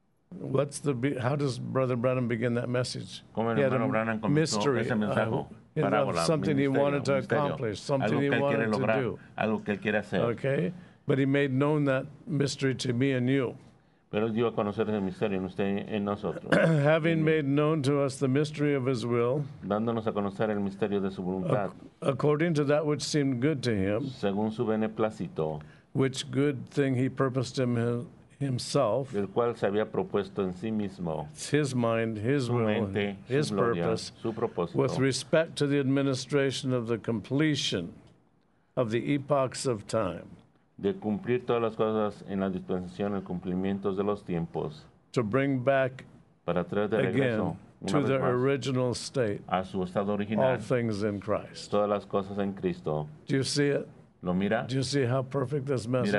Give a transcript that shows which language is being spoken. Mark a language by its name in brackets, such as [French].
[English] What's the, how does Brother Branham begin that message? [Spanish] Como el hermano Branham comenzó [English] mystery, [Spanish] ese mensaje? [English] Something he wanted to accomplish, something he wanted to do. [Spanish] Algo que él quiere hacer. [English] Okay, but he made known that mystery to me and you. [Spanish] Pero dio a conocer ese misterio en usted y en nosotros. [English] Having made known to us the mystery of his will, [Spanish] dándonos a conocer el misterio de su voluntad, [English] according to that which seemed good to him, [Spanish] según su beneplácito, [English] which good thing he purposed in himself, [Spanish] el cual se había propuesto en sí mismo, [English] his mind, his [Spanish] su [English] will, [Spanish] mente, [English] his [Spanish] gloria, [English] purpose, [Spanish] su propósito, [English] with respect to the administration of the completion of the epochs of time, [Spanish] de cumplir todas las cosas en la dispensación, el cumplimiento de los tiempos, [English] to bring back [Spanish] para traer de [English] again [Spanish] regreso, [English] to their original state, [Spanish] a su estado original, [English] all things in Christ, [Spanish] todas las cosas en Cristo. [English] Do you see it? [Spanish] ¿Lo mira? [English] Do you see how perfect this message